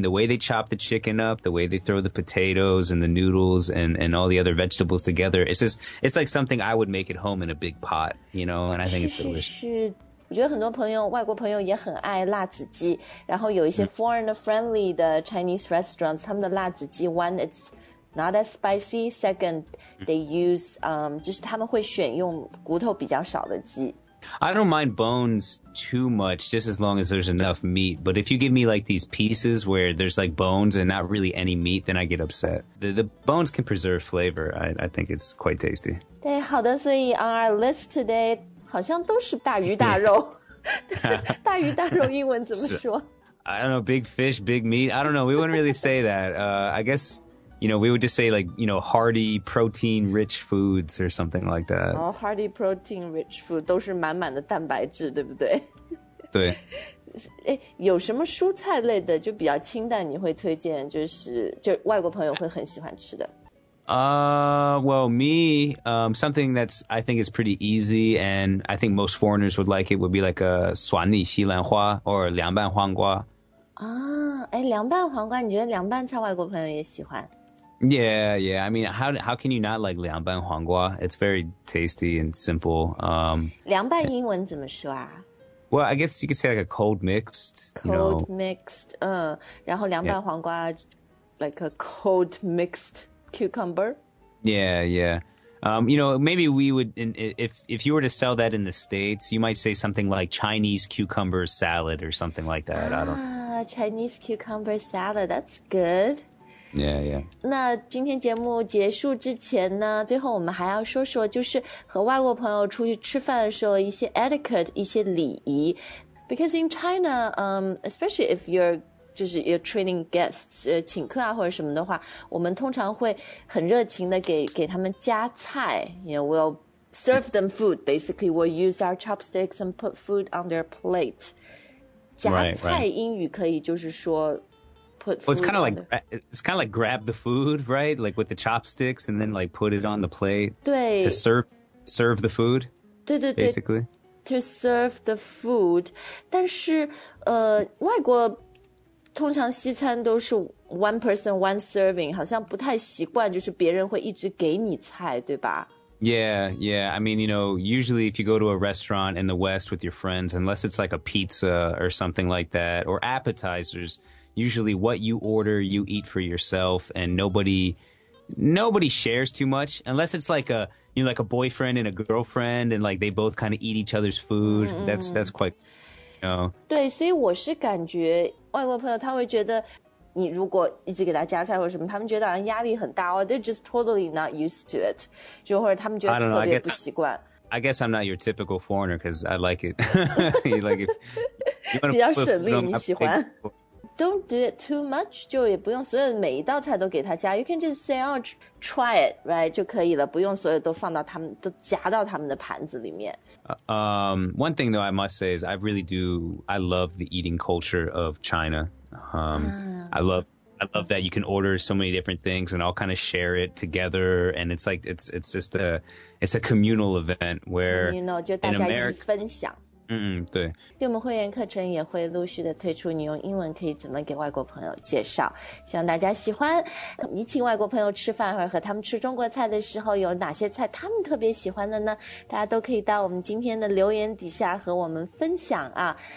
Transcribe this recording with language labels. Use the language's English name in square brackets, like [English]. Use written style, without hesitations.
[English] The way they chop the chicken up, the way they throw the potatoes and the noodles and all the other vegetables together, it's like something I would make at home in a big pot, you know, and I think it's delicious. [Chinese] 我觉得很多朋友外国朋友也很爱辣子鸡然后有一些 [English] foreign friendly [Chinese] 的 Chinese restaurants 他们的辣子鸡 [English] one it's not as spicy second they use [Chinese] 就是他们会选用骨头比较少的鸡 [English] I don't mind bones too much just as long as there's enough meat but if you give me like these pieces where there's like bones and not really any meat then I get upset the bones can preserve flavor I think it's quite tasty [Chinese] 对好的所以 [English] on our list today [Chinese] 好像都是大鱼大肉大鱼大肉英文怎么说 [English] I don't know, big fish, big meat. I don't know, we wouldn't really say that. I guess, you know, we would just say like, you know, hearty protein rich foods or something like that. Oh, hearty protein rich food, [Chinese] 都是满满的蛋白质,对不对? 对。有什么蔬菜类的就比较清淡你会推荐就外国朋友会很喜欢吃的。 [English] Well, me, something that's, I think is pretty easy and I think most foreigners would like it would be like a 蒜泥西兰花 or 凉拌黄瓜. [Chinese] Ah, 凉拌黄瓜,你觉得凉拌菜外国朋友也喜欢? [English] Yeah, I mean, how can you not like 凉拌黄瓜? It's very tasty and simple. [Chinese] 凉拌英文怎么说啊? [English] Well, I guess you could say like a cold mixed, Cold mixed, [Chinese] 然后凉拌黄瓜, [English] like a cold mixed. Cucumber? Yeah. You know, maybe we would, if you were to sell that in the States, you might say something like Chinese cucumber salad or something like that. Chinese cucumber salad, that's good. Yeah. [Chinese] 那今天节目结束之前呢,最后我们还要说说就是和外国朋友出去吃饭的时候一些 etiquette, 一些礼仪。 [English] Because in China, especially if you're,就是 you're training guests, [Chinese] 请客啊或者什么的话我们通常会很热情的给他们加菜 [English] you know, we'll serve them food, basically we'll use our chopsticks and put food on their plate. [Chinese] 加菜英语可以就是说 [English] put food on their plate. It's kind of like grab the food, right? Like with the chopsticks and then like put it on the plate. [Chinese] 对 [English] to serve the food, [Chinese] 对对对 [English] basically. To serve the food. [Chinese] 但是外国通常西餐都是 [English] one person, one serving, [Chinese] 好像不太习惯就是别人会一直给你菜对吧 [English] Yeah. I mean, you know, usually if you go to a restaurant in the West with your friends, unless it's like a pizza or something like that, or appetizers, usually what you order, you eat for yourself, and nobody shares too much, unless it's like a, you know, like a boyfriend and a girlfriend, and like they both kind of eat each other's food. Mm-hmm. That's quite, you know. [Chinese] 对,所以我是感觉外国朋友他会觉得你如果一直给他加菜或什么他们觉得好像压力很大、哦、 [English] They're just totally not used to it [Chinese] 就或者他们觉得特别不习惯 [English] I guess I'm not your typical foreigner because I like it like if, [Chinese] 比较省力你喜欢 [English] Don't do it too much [Chinese] 就也不用所有每一道菜都给他加 [English] You can just say oh try it right [Chinese] 就可以了不用所有都放到他们都夹到他们的盘子里面 [English] One thing though I must say is I love the eating culture of China. I love that you can order so many different things and all kind of share it together. And it's like, it's just a communal event where [Chinese] communal, 就大家一起分享 [English] in America, 对。 [Chinese] 对我们会员课程也会陆续的推出，你用英文可以怎么给外国朋友介绍，希望大家喜欢。你请外国朋友吃饭或者和他们吃中国菜的时候，有哪些菜他们特别喜欢的呢？大家都可以到我们今天的留言底下和我们分享啊。